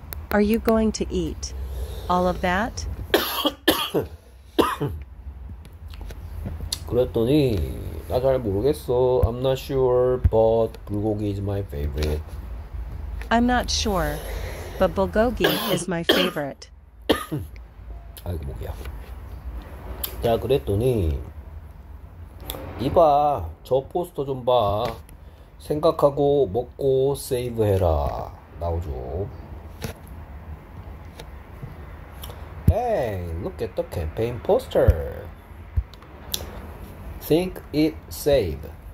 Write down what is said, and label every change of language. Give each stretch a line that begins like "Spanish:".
English: Are you going to eat all of that?
Korean: 그랬더니 나잘 모르겠어.
English: I'm not sure, but 불고기 is my favorite. I'm not sure, but bulgogi is my favorite.
Korean: 아이고 목이야. 자 그랬더니 이봐 저 포스터 좀 봐. 생각하고 먹고 세이브해라 나오죠.
English: Hey, look at the campaign poster. Think it save.